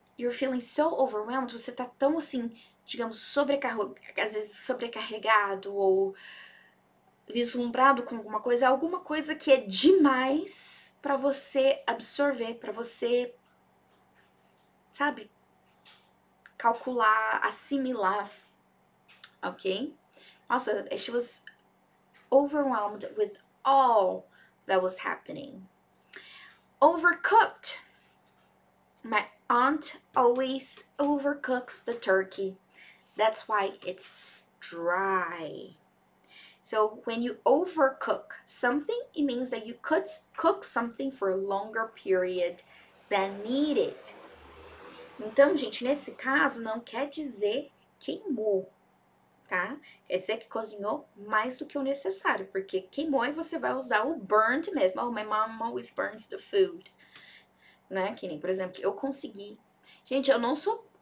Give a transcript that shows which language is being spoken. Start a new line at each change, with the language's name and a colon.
English: You're feeling so overwhelmed,
Portuguese: você tá tão assim, digamos, sobrecarregado, às vezes sobrecarregado ou vislumbrado com alguma coisa que é demais para você absorver, para você, sabe, calcular, assimilar, ok?
English: Also, she was overwhelmed with all that was happening. Overcooked. My aunt always overcooks the turkey. That's why it's dry. So, when you overcook something, it means that you could cook something for a longer period than needed.
Portuguese: Então, gente, nesse caso, não quer dizer queimou, tá? Quer dizer que cozinhou mais do que o necessário, porque queimou e você vai usar o burnt mesmo.
English: Oh, my mom always burns the food. Né?
Portuguese: Que nem, por exemplo, eu consegui. Gente, eu não sou.